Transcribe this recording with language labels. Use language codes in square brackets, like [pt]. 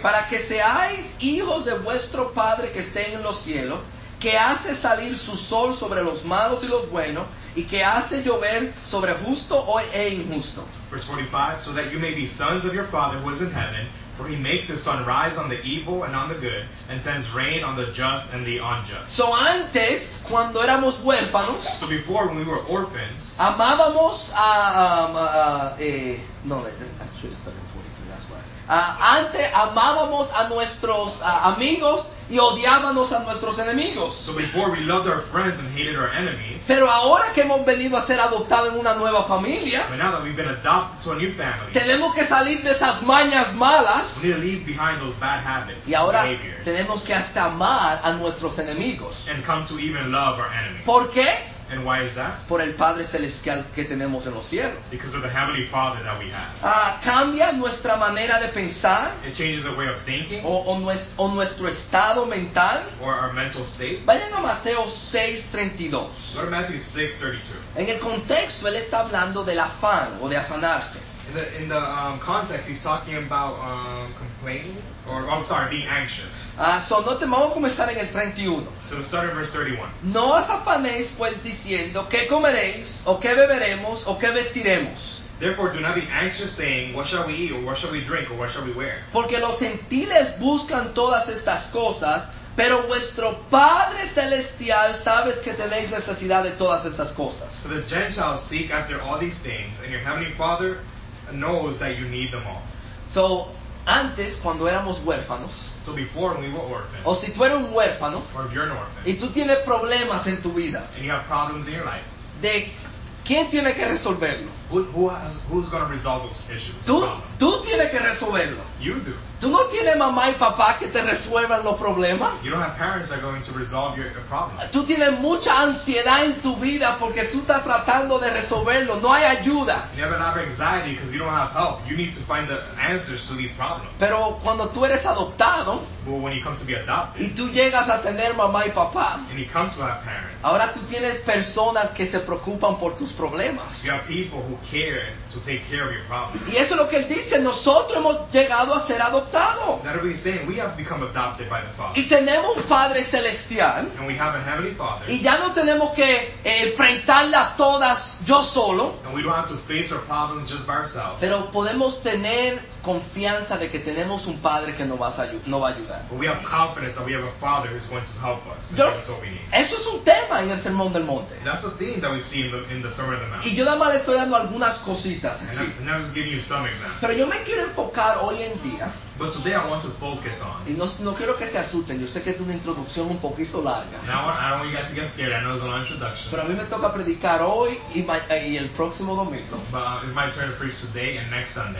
[es] Para que seáis hijos de vuestro Padre que esté en los cielos, que hace salir su sol sobre los malos y los buenos, y que hace llover sobre justo e injusto. [en] Verse 45. So that you may be sons of your Father who is in heaven, for he makes his sun rise on the evil and on the good, and sends rain on the just and the unjust. [es] So antes, cuando éramos huérfanos, [en] so before when we were orphans, [es] amábamos a... [en] no, that's true, it's 43, that's why. [es] Antes amábamos a nuestros amigos y odiábamos a nuestros enemigos. [en] So before we loved our friends and hated our enemies. [es] Pero ahora que hemos venido a ser adoptados en una nueva familia, [en] but now that we've been adopted to a new family, [es] tenemos que salir de esas mañas malas. [en] We need to leave behind those bad habits. [es] Y ahora [en] behavior. [es] Tenemos que hasta amar a nuestros enemigos. [en] And come to even love our enemies. [es] ¿Por qué? [en] And why is that? [es] Por el Padre Celestial que tenemos en los cielos. [en] Because of the Heavenly Father that we have. [es] Cambia nuestra manera de pensar. [en] It changes the way of thinking. [es] O nuestro estado mental. [en] Or our mental state. [es] Vayan a Mateo 6:32. [en] Go to Matthew 6:32. [es] En el contexto, él está hablando del afán o de afanarse. [en] In the context, he's talking about complaining, or I'm sorry, being anxious. [es] Vamos a comenzar en el 31. [en] So we'll start in verse 31. [es] No os afanéis, pues, diciendo, ¿qué comeréis, o qué beberemos, o qué vestiremos? [en] Therefore, do not be anxious, saying, what shall we eat, or what shall we drink, or what shall we wear? [es] Porque los gentiles buscan todas estas cosas, pero vuestro Padre Celestial sabe que tenéis necesidad de todas estas cosas. [en] So the Gentiles seek after all these things, and your Heavenly Father knows that you need them all. [es] So, antes, cuando éramos huérfanos, [en] so before we were orphans, [es] o si tú eres un huérfano, [en] or if you're an orphan, [es] y tú tienes problemas en tu vida, [en] and you have problems in your life, [es] de quién tiene que resolverlo? [en] Who's going to resolve those issues? [es] Tú tienes que resolverlo. [en] You do. [es] Tú no tienes mamá y papá que te resuelvan los problemas. You don't have parents that are going to resolve your problems. Tú tienes mucha ansiedad en tu vida porque tú estás tratando de resolverlo. No hay ayuda. [en] You have a lot of anxiety because you don't have help. You need to find the answers to these problems. [es] Pero cuando tú eres adoptado, [en] well, when you come to be adopted, [es] y tú llegas a tener mamá y papá, [en] and you come to have parents, [es] ahora tú tienes personas que se preocupan por tus problemas. [en] You have people who care to take care of your problems. [es] Y eso es lo que él dice. Nosotros hemos llegado a ser adoptados. [en] That is what he's saying. We have become adopted by the Father. [es] Y tenemos un Padre Celestial. [en] And we have a Heavenly Father. [es] Y ya no tenemos que enfrentarlas todas yo solo. [en] And we don't have to face our problems just by ourselves. [es] Pero podemos tener confianza de que tenemos un padre que no va a ayudar. [en] But we have confidence that we have a father who's going to help us. And that's what we need. [es] Eso es un tema en el Sermón del Monte. [en] That's a theme that we see in the Sermon on the Mount. [es] Y yo nada más le estoy dando algunas cositas aquí. [en] And I'm just giving you some examples. [es] Pero yo me quiero enfocar hoy en día. [en] But today I want to focus on. [es] Y no quiero que se asusten. Yo sé que es una introducción un poquito larga. [en] Now I don't want you guys to get scared. I know it's a long introduction. [es] Pero a mí me toca predicar hoy y el próximo domingo. [en] But it's my turn to preach today and next Sunday.